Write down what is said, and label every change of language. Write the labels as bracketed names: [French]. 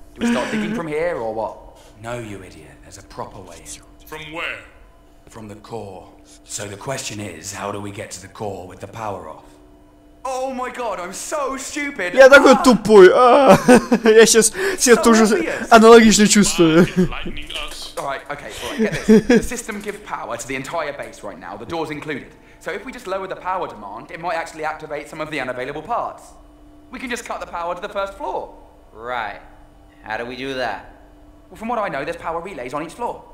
[English] Do we start digging from here, or what? No, you idiot. There's a proper way in. From where? From the core. So the question is, how do we get to the core with the power off? Oh my god, I'm so stupid! [Russian] Я такой тупой! Я сейчас себя тоже аналогично чувствую. [English] Alright, okay, alright, get this. The system gives power to the entire base right now, the doors included. So if we just lower the power demand, it might actually activate some of the unavailable parts. We can just cut the power to the first floor. Right. How do we do that? Well, from what I know, there's power relays on each floor.